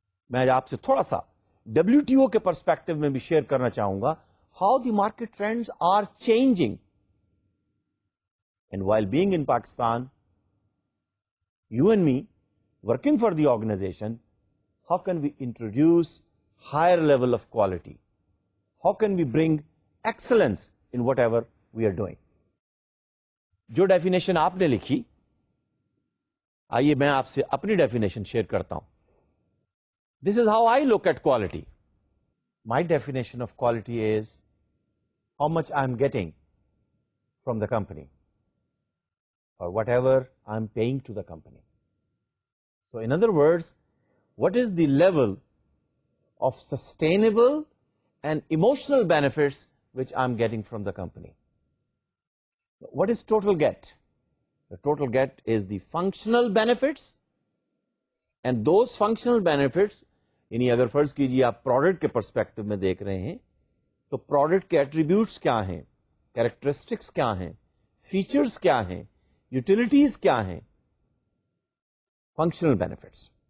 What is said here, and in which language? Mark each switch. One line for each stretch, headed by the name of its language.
Urdu: میں آج آپ سے تھوڑا سا WTO کے پرسپیکٹو میں بھی شیئر کرنا چاہوں گا,
English: How the market trends are changing, and while being in Pakistan, you and me working for the organization, how can we introduce higher level of quality, how can we bring excellence in whatever we are doing.
Urdu: جو definition آپ نے لکھی, آئیے میں آپ سے اپنی definition share کرتا ہوں.
English: This is how I look at quality. My definition of quality is how much I am getting from the company or whatever I am paying to the company. So in other words, what is the level of sustainable and emotional benefits which I am getting from the company? What is total get? The total get is the functional benefits,
Urdu: and those functional benefits, یعنی اگر فرض کیجئے آپ product کے perspective میں دیکھ رہے ہیں, تو پروڈکٹ کے ایٹریبیوٹس کیا ہیں, کیریکٹرسٹکس کیا ہیں, فیچرز کیا ہیں, یوٹیلیٹیز کیا ہیں, فنکشنل بینیفٹس.